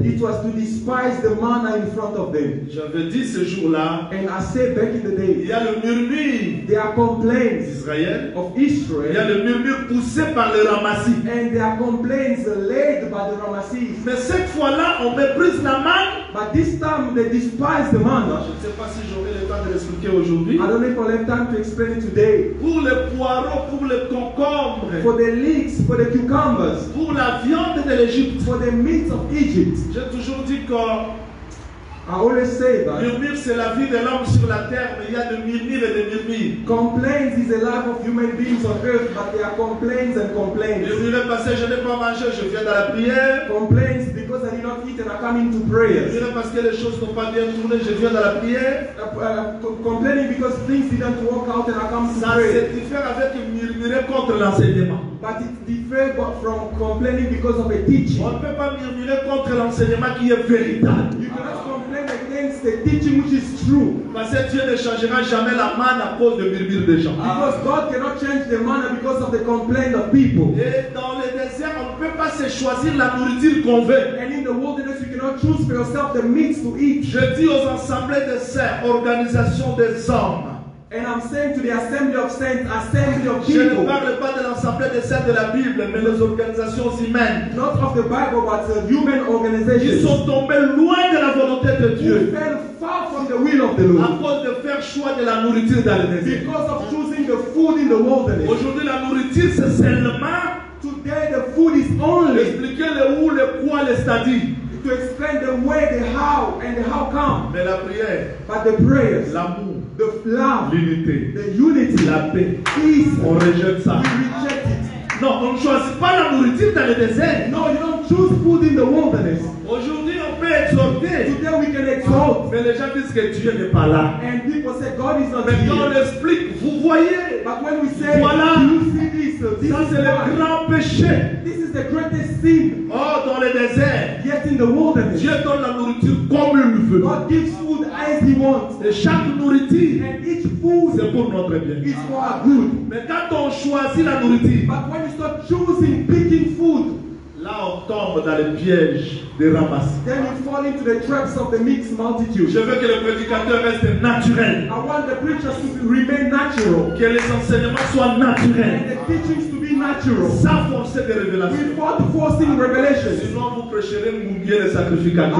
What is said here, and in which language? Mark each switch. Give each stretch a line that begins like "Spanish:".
English: It was to despise the manna in front of them.
French: J'avais dit ce jour-là.
English: And I said back in the day.
French: Il y a le murmure.
English: There are complaints.
French: Israël.
English: Of Israel.
French: Il y a le murmure poussé par les ramassis.
English: And there are complaints led by the ramassis.
French: Mais cette fois-là, on méprise la manne.
English: But this time, they despise the manna.
French: Je ne sais pas si j'aurai le temps de l'expliquer aujourd'hui.
English: I don't know if I'll have time to explain it today.
French: Pour les poireaux, pour les concombres.
English: For the leeks, for the cucumbers.
French: Pour la viande de l'Égypte.
English: For the meat of Egypt.
French: J'ai toujours dit que.
English: I always say that.
French: Murmure, c'est la vie de l'homme sur la terre, mais il y a de murmures et de murmures.
English: Complaints is the life of human beings on earth, but there are complaints and complaints.
French: Murmure parce que je n'ai pas mangé, je viens dans la prière.
English: Complaints because I did not eat and I come into prayer.
French: Murmure parce que les choses n'ont pas bien tourné, je viens dans la prière.
English: Complaining because things didn't work out and I come to
French: ça,
English: pray.
French: Ça c'est différent avec murmurer contre l'enseignement.
English: But it's different from complaining because of a teaching.
French: On ne peut pas murmurer contre l'enseignement qui est véritable.
English: The teaching which is true.
French: Parce que Dieu ne changera jamais la manne à cause de murmures des gens.
English: Because God cannot change the manna because of the complaint of people.
French: Et dans le désert, on ne peut pas se choisir la nourriture qu'on veut.
English: And in the wilderness, you cannot choose for yourself the meat to eat.
French: Je dis aux assemblées des saints, organisation des hommes.
English: And I'm saying to the assembly of saints, assembly of people.
French: Je ne parle pas de l'assemblée des saints de la Bible, mais des organisations humaines.
English: Not of the Bible, but the human organizations.
French: Ils sont tombés loin de la volonté de Dieu.
English: Who fell far from the will of the Lord.
French: À cause de faire choix de la nourriture dans le désert.
English: Because of choosing the food in the wilderness.
French: Aujourd'hui, la nourriture c'est seulement.
English: Today, the food is only.
French: Expliquez le où, le quoi, le c'est-à-dire.
English: To explain the way, the how, and the how come.
French: Mais la prière.
English: But the prayers.
French: L'amour.
English: The love.
French: L'unité.
English: The unity.
French: La paix.
English: Peace.
French: On rejette ça.
English: We reject it.
French: Non, on ne choisit pas la nourriture dans le désert.
English: No, you don't choose food in the wilderness.
French: Aujourd'hui, on peut exhorter.
English: Today we can exhort.
French: Mais les gens disent que Dieu n'est pas là.
English: And people say God is not
French: mais
English: here.
French: Mais quand on explique, vous voyez.
English: But when we say,
French: voilà.
English: You see this. This
French: ça,
English: is
French: c'est le grand péché.
English: This is the greatest sin.
French: Oh, dans le désert.
English: Yet in the wilderness.
French: Dieu donne la nourriture comme il veut.
English: God gives food as he wants.
French: Et chaque nourriture.
English: And each food.
French: C'est pour notre bien.
English: It's for our good.
French: Mais quand on choisit la nourriture.
English: But when you start choosing, picking food.
French: Là, on tombe dans le piège des ramassis.
English: Then you fall into the traps of the mixed multitude.
French: Je veux que le prédicateur reste naturel.
English: I want the preachers to remain natural.
French: Que les enseignements soient naturels.
English: And the teachings to be natural.
French: Sans forcer des révélations.
English: Without forcing revelations.
French: Sinon, vous prêcherez mouiller les sacrificateurs.